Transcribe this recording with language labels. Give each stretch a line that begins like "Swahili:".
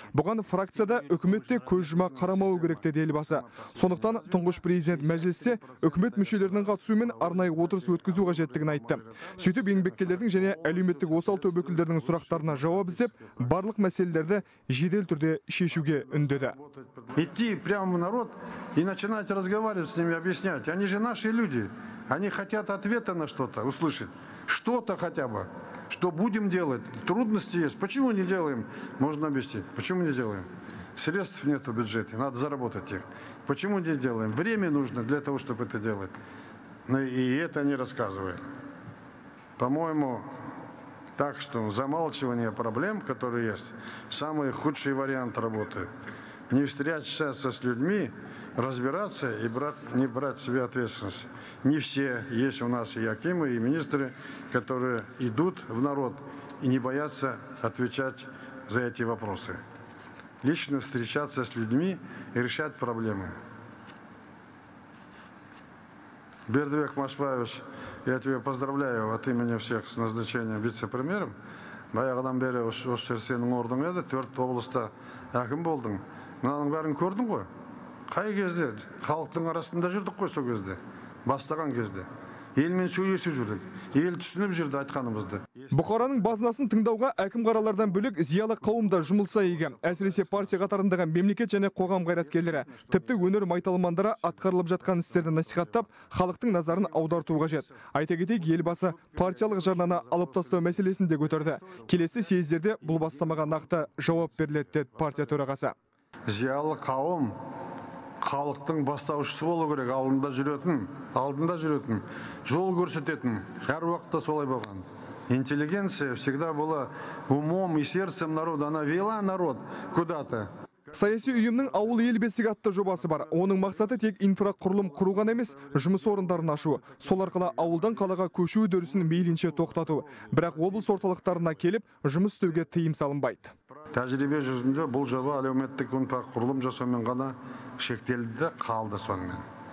Kazakh: Бұған фракцияда үкіметте көз жұма қарамауы керек деді елбасы. Сондықтан тұңғыш президент мәжілісте үкімет мүшелерінің қатысуымен арнайы отырыс өткізу қажеттігін айтты. Сөйтіп еңбеккерлердің және әлеуметтік осал топ өкілдерінің сұрақтарына жауап іздеп, барлық мәселелерді жедел түрде шешуге үндеді.
Russian: Идти прямо в народ и начинать разговаривать с ними, объяснять. Они же наши люди. Они хотят ответа на что-то услышать. Что-то хотя бы. Что будем делать? Трудности есть. Почему не делаем? Можно объяснить. Почему не делаем? Средств нет в бюджете. Надо заработать их. Почему не делаем? Время нужно для того, чтобы это делать. Но и это они рассказывают. По-моему, так что замалчивание проблем, которые есть, самый худший вариант работы. Не встречаться с людьми, разбираться и не брать себе ответственность. Не все есть у нас и акимы, и министры, которые идут в народ и не боятся отвечать за эти вопросы. Лично встречаться с людьми и решать проблемы. Бердыбек Машбаевич, я тебя поздравляю от имени всех с назначением вице-премьером.
Kazakh: Баяғыдан бері осы жерсенің ордың еді, төрт облыста әкім болдың. Мынаның бәрін көрдің ғой. Қай кезде халықтың арасында жүрдік қой сол кезде. Бастаған кезде. Елмен сөйлесіп жүрдік. Ел түсініп жүрді айтқанымызды. Бұқараның базынасын тыңдауға әкім қаралардан бөлек зиялы қауым да жұмылса игі. Әсіресе партия қатарындағы мемлекет және қоғам қайраткерлері, тіпті өнер майталмандары атқарылып жатқан істерді насихаттап, халықтың назарын аудартуға жет. Айта кетейік, елбасы партиялық жарнаны алып тастау мәселесін де көтерді. Келесі съездерде бұл бастамаға нақты жауап беріледі деді партия төрағасы. Зиялы қауым халықтың бастаушысы болу керек, алдында жүретін, жол көрсететін, әр уақытта солай болған.
Russian: Интеллигенция всегда была умом и сердцем народа, она вела народ куда-то.
Kazakh: Саяси ұйымның ауыл ел бесігі атты жобасы бар. Оның мақсаты тек инфрақұрылым құруған емес, жұмыс орындарын ашу. Сол арқылы ауылдан қалаға көшу үдерісін мейлінше тоқтату. Бірақ облыс орталықтарына келіп, жұмыс істеуге тыйым салынбайды. Тәжірибе жүзінде бұл жоба әлеуметтік инфрақұрылым жасаумен ғана шектелді де қалды сонымен.